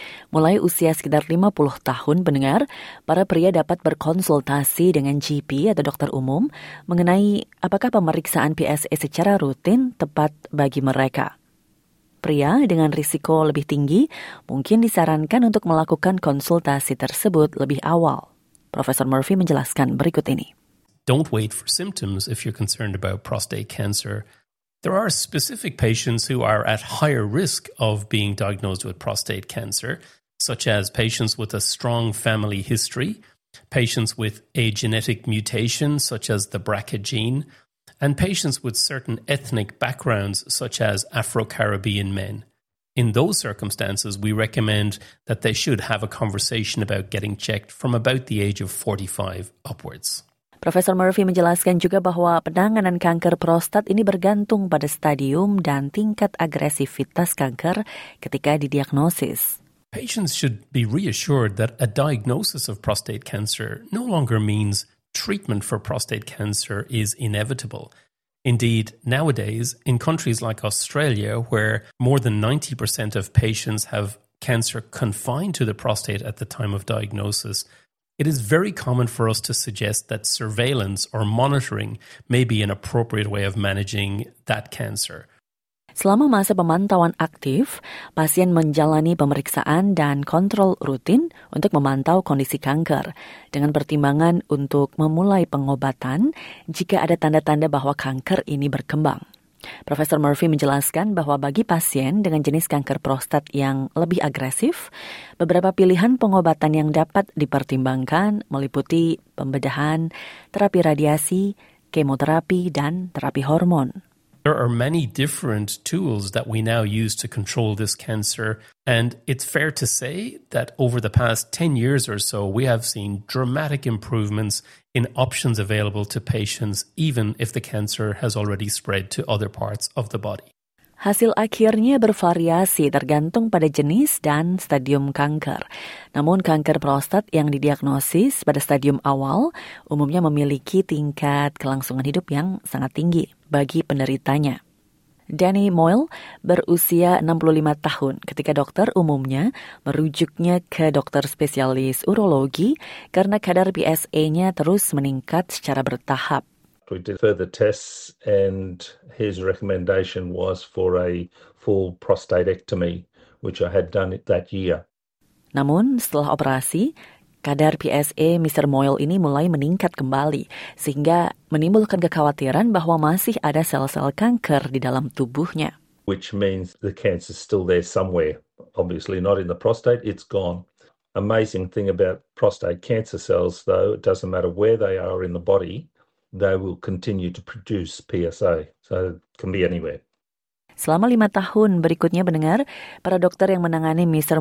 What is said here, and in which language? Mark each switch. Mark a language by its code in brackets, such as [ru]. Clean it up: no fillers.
[id] Mulai usia sekitar 50 tahun, pendengar, para pria dapat berkonsultasi dengan GP atau dokter umum mengenai apakah pemeriksaan PSA secara rutin tepat bagi mereka. Pria dengan risiko lebih tinggi mungkin disarankan untuk melakukan konsultasi tersebut lebih awal. Professor Murphy menjelaskan berikut ini. [en] Don't wait for symptoms if you're concerned about prostate cancer. There are specific patients who are at higher risk of being diagnosed with prostate cancer, such as patients with a strong family history, patients with a genetic mutation, such as the BRCA gene, and patients with certain ethnic backgrounds, such as Afro-Caribbean men. In those circumstances, we recommend that they should have a conversation about getting checked from about the age of 45 upwards. [id] Professor Murphy menjelaskan juga bahwa penanganan kanker prostat ini bergantung pada stadium dan tingkat agresivitas kanker ketika didiagnosis. [en] Patients should be reassured that a diagnosis of prostate cancer no longer means treatment for prostate cancer is inevitable. Indeed, nowadays, in countries like Australia, where more than 90% of patients have cancer confined to the prostate at the time of diagnosis, it is very common for us to suggest that surveillance or monitoring may be an appropriate way of managing that cancer. [id] Selama masa pemantauan aktif, pasien menjalani pemeriksaan dan kontrol rutin untuk memantau kondisi kanker, dengan pertimbangan untuk memulai pengobatan jika ada tanda-tanda bahwa kanker ini berkembang. Profesor Murphy menjelaskan bahwa bagi pasien dengan jenis kanker prostat yang lebih agresif, beberapa pilihan pengobatan yang dapat dipertimbangkan meliputi pembedahan, terapi radiasi, kemoterapi, dan terapi hormon. [en] There are many different tools that we now use to control this cancer, and it's fair to say that over the past 10 years or so, we have seen dramatic improvements in options available to patients, even if the cancer has already spread to other parts of the body. [id] hasil akhirnya bervariasi tergantung pada jenis dan stadium kanker. Namun kanker prostat yang didiagnosis pada stadium awal umumnya memiliki tingkat kelangsungan hidup yang sangat tinggi bagi penderitanya. Danny Moyle berusia 65 tahun ketika dokter umumnya merujuknya ke dokter spesialis urologi karena kadar PSA-nya terus meningkat secara bertahap. [en] We did further tests and his recommendation was for a full prostatectomy, which I had done that year. [id] Namun setelah operasi, kadar PSA Mr. Moyle ini mulai meningkat kembali, sehingga menimbulkan kekhawatiran bahwa masih ada sel-sel kanker di dalam tubuhnya. [en] Which means the cancer is still there somewhere. Obviously not in the prostate, it's gone. Amazing thing about prostate cancer cells though, it doesn't matter where they are in the body, they will continue to produce PSA, so it can be anywhere. [id] Selama 5 tahun berikutnya mendengar, para dokter yang menangani Mr.